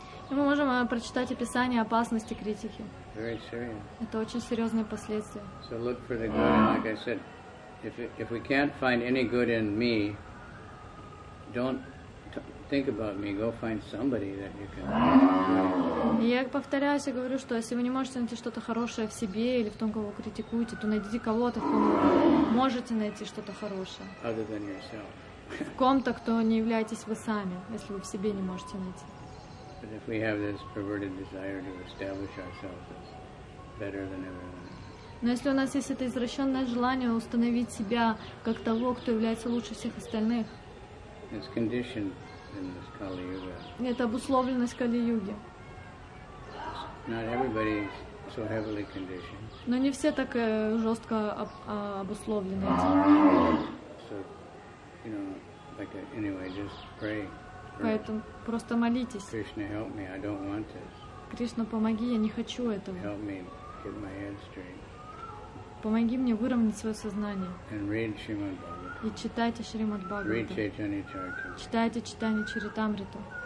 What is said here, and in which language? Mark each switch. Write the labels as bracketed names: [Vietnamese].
[Russian] И мы можем прочитать описание опасности критики. Это очень серьезные последствия. [English] So look for the good, and like I said, if we can't find any good in me, don't think about me, go find somebody that you can. [Russian] Я повторяюсь и говорю, что если вы не можете найти что-то хорошее в себе или в том, кого вы критикуете, то найдите кого-то, в ком можете найти что-то хорошее. [English] Other than yourself. [Russian] В ком-то, кто не являетесь вы сами, если вы в себе не можете найти. [English] But if we have this perverted desire to establish ourselves as better than everyone else. [Russian] Но если у нас есть это извращенное желание установить себя как того, кто является лучше всех остальных. [English] It's conditioned. In this Kali Yuga. [Russian] Это обусловленность Кали-юги. [English] Not everybody is so heavily conditioned. [Russian] Но не все так жестко обусловлены. [English] So, you know, like anyway, just pray. [Russian] Поэтому просто молитесь. [English] Krishna, help me, I don't want this. [Russian] Кришна, помоги, я не хочу этого. [English] Help me get my head straight. [Russian] Помоги мне выровнять свое сознание. [English] And read Shrimad Bhagavatam. [Russian] И читайте Шримад Бхагавату. Читайте Чайтанья Чаритамриту.